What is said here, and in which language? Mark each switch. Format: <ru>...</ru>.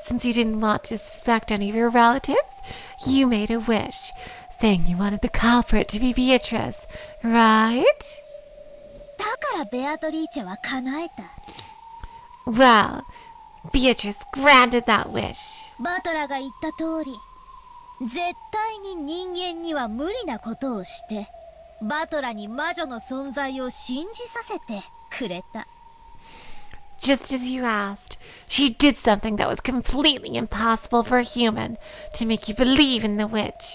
<en>since you didn't want to suspect any of your relatives, you made a wish, saying you wanted the culprit to be Beatrice, right?</en> <ja>からベアトリーチェは叶えた。</ja> <en>Well, Beatrice granted that wish.</en> <ja>バトラが言った通り、絶対に人間には無理なことをして、バトラに魔女の存在を信じさせてくれた。</ja> <en>Just as you asked, she did something that was completely impossible for a human to make you believe in the witch.</en>